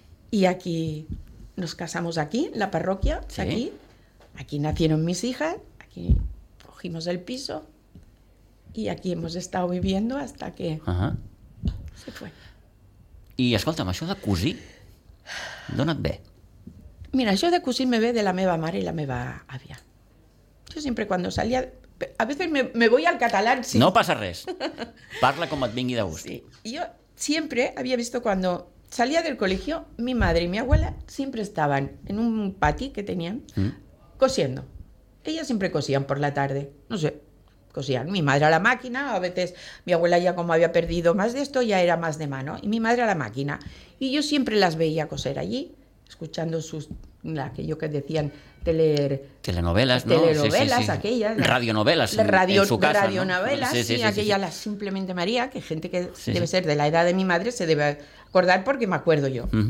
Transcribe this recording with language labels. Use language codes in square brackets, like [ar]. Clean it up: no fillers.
[es] Y aquí nos casamos aquí, en la parroquia, aquí. Aquí nacieron mis hijas, aquí cogimos el piso y aquí hemos estado viviendo hasta que se fue. [ca] Y escolta, ¿això de cosí? D'on et ve? Mira, això de cosir me ve de la meva mare i la meva àvia. Jo sempre quan salia... A vegades me voy al català. Sí. No passa res. Parla com et vingui de gust. Sí. Jo sempre havia vist quan salia del col·legio, mi mare i mi abuela sempre estaven en un pati que tenien cosiendo. Ellas sempre cosien per la tarda. No sé, cosien. Mi mare a la màquina, a vegades mi abuela ja com havia perdido més d'esto, ja era més de mano. I mi mare a la màquina... [es] Y yo siempre las veía coser allí, escuchando aquello que decían de leer... Telenovelas, ¿no? Telenovelas, sí, sí, sí. Aquellas. Radionovelas en su casa, radionovelas, ¿no? Sí, sí, sí, sí, aquella, sí. La Simplemente María, que gente que debe ser de la edad de mi madre, se debe acordar porque me acuerdo yo.